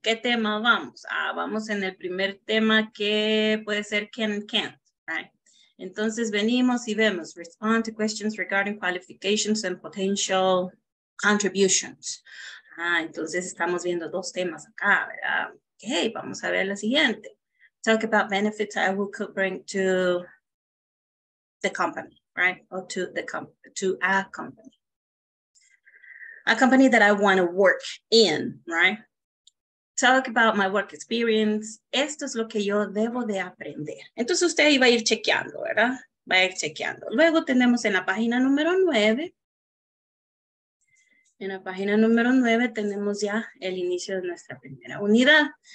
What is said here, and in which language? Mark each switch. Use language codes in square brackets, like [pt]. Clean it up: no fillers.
[es] ¿Qué tema vamos? Ah, vamos en el primer tema que puede ser [en] can and can't, right? [es] Entonces venimos y vemos, [en] respond to questions regarding qualifications and potential contributions. [es] Ah, entonces estamos viendo dos temas acá, ¿verdad? Ok, vamos a ver la siguiente. [en] Talk about benefits I could bring to the company, right? Or to the to a company. A company that I want to work in, right? Talk about my work experience. [es] Esto es lo que yo debo de aprender. Entonces usted iba a ir chequeando, ¿verdad? Va a ir chequeando. Luego tenemos en la página número 9. En la página número 9 tenemos ya el inicio de nuestra primera unidad.